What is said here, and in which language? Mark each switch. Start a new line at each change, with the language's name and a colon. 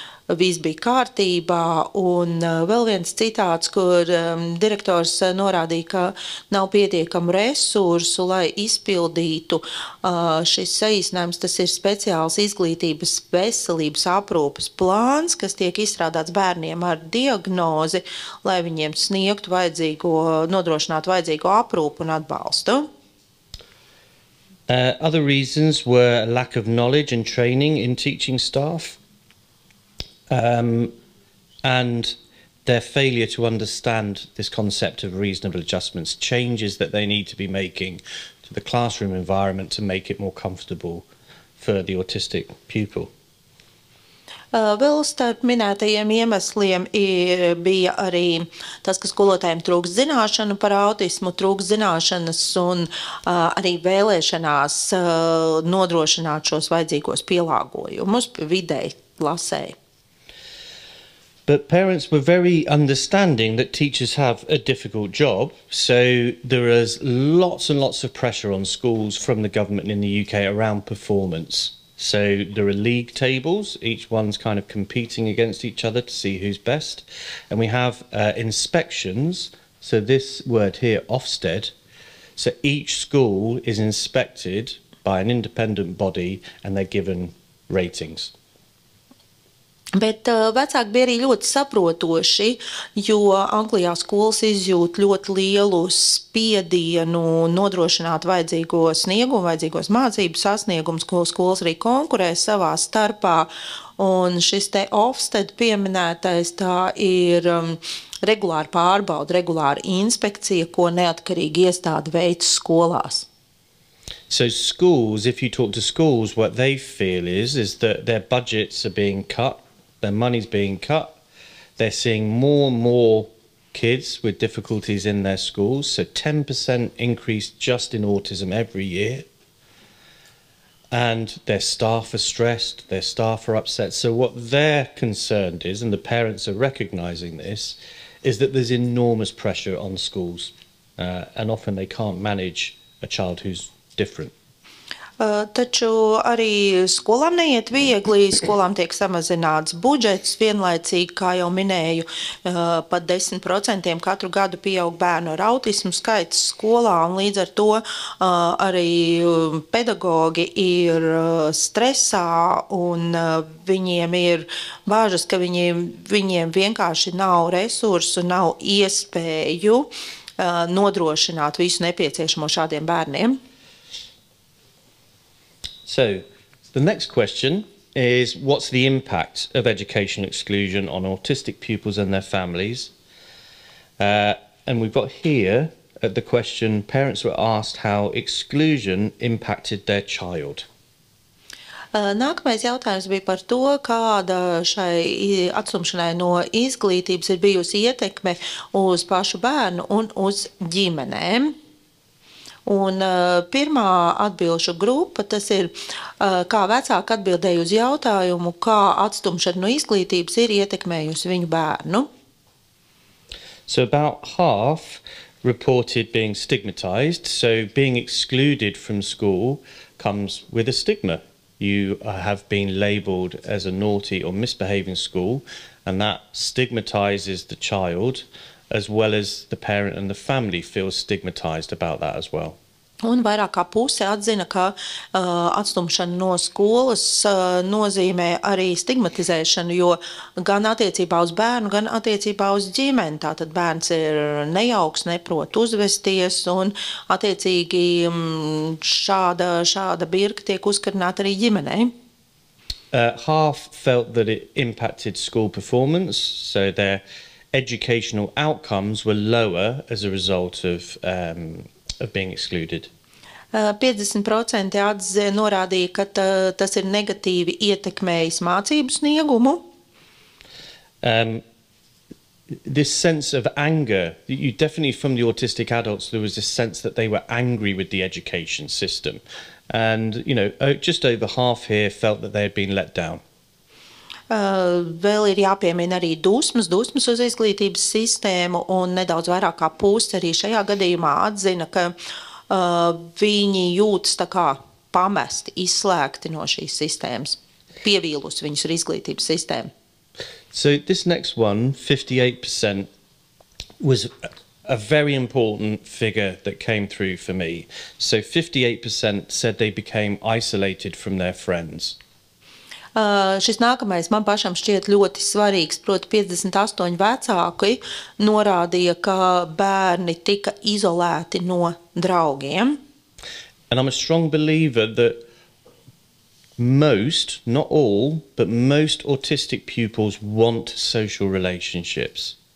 Latvian: viss bija kārtībā, un vēl viens citāts, kur direktors norādīja, ka nav pietiekamu resursu, lai izpildītu šis saīsinājums. Tas ir speciāls izglītības veselības aprūpes plāns, kas tiek izstrādāts bērniem ar diagnozi, lai viņiem sniegtu vajadzīgo, nodrošinātu vajadzīgo aprūpu un atbalstu.
English: Other reasons were lack of knowledge and training in teaching staff. And their failure to understand this concept of reasonable adjustments, changes that they need to be making to the classroom environment to make it more comfortable for the autistic pupil.
Latvian: Vēl starp minētajiem iemesliem bija arī tas, ka skolotājiem trūkst zināšanu par autismu, trūkst zināšanas un arī vēlēšanās nodrošināt šos vajadzīgos pielāgojumus videi klasē.
English: But parents were very understanding that teachers have a difficult job, so there is lots and lots of pressure on schools from the government in the UK around performance. So there are league tables, each one's kind of competing against each other to see who's best. And we have inspections, so this word here, Ofsted, so each school is inspected by an independent body and they're given ratings.
Latvian: Bet vecāki bija arī ļoti saprotoši, jo Anglijā skolas izjūt ļoti lielu spiedienu nodrošināt vajadzīgo sniegumu, vajadzīgos mācību sasniegumus, ko skolas arī konkurē savā starpā. Un šis te Ofsted pieminētais, tā ir regulāra pārbauda, regulāra inspekcija, ko neatkarīgi iestāde veic skolās.
English: So schools, if you talk to schools, what they feel is that their budgets are being cut. Their money's being cut. They're seeing more and more kids with difficulties in their schools. So 10% increase just in autism every year. And their staff are stressed, their staff are upset. So what they're concerned is, and the parents are recognizing this, is that there's enormous pressure on schools. And often they can't manage a child who's different.
Latvian: Taču arī skolām neiet viegli, skolām tiek samazināts budžets vienlaicīgi, kā jau minēju, pat 10% katru gadu pieaug bērnu ar autismu skaits skolā, un līdz ar to arī pedagogi ir stresā, un viņiem ir bāžas, ka viņiem vienkārši nav resursu, nav iespēju nodrošināt visu nepieciešamo šādiem bērniem.
English: So, the next question is, what's the impact of educational exclusion on autistic pupils and their families? And we've got here at the question, parents were asked how exclusion impacted their child.
Latvian: Nākamais jautājums bija par to, kāda šai atstumšanai no izglītības ir bijusi ietekme uz pašu bērnu un uz ģimenēm. Un pirmā atbilšu grupa, tas ir, kā vecāki atbildēja uz jautājumu, kā atstumšana no izglītības ir ietekmējusi viņu bērnu.
English: So about half reported being stigmatized, so being excluded from school comes with a stigma. You have been labeled as a naughty or misbehaving school, and that stigmatizes the child, as well as the parent and the family feel stigmatized about that as well.
Latvian: Un vairāk kā puse atzina, ka atstumšana no skolas nozīmē arī stigmatizēšanu, jo gan attiecībā uz bērnu, gan attiecībā uz ģimeni. Tātad bērns ir nejauks, neprot uzvesties, un attiecīgi šāda birka tiek uzkarināta arī ģimenē.
English: Half felt that it impacted school performance, so their educational outcomes were lower as a result of being excluded.
Latvian: 50% norādīja, ka tas ir negatīvi ietekmējis mācību sniegumu.
English: This sense of anger, you definitely from the autistic adults, there was this sense that they were angry with the education system. And, you know, just over half here felt that they had been let down.
Latvian: Vēl ir jāpiemina arī dusmas uz izglītības sistēmu, un nedaudz vairāk kā puse arī šajā gadījumā atzina, ka viņi jūtas tā kā pamesti, izslēgti no šīs sistēmas, pievīlus viņus ar izglītības sistēmu.
English: So this next one, 58%, was a very important figure that came through for me. So 58% said they became isolated from their friends.
Latvian: Šis nākamais man pašam šķiet ļoti svarīgs, proti 58 vecāki norādīja, ka bērni tika izolēti no draugiem.
English: And I'm a strong believer that most, not all, but most autistic pupils want social relationships.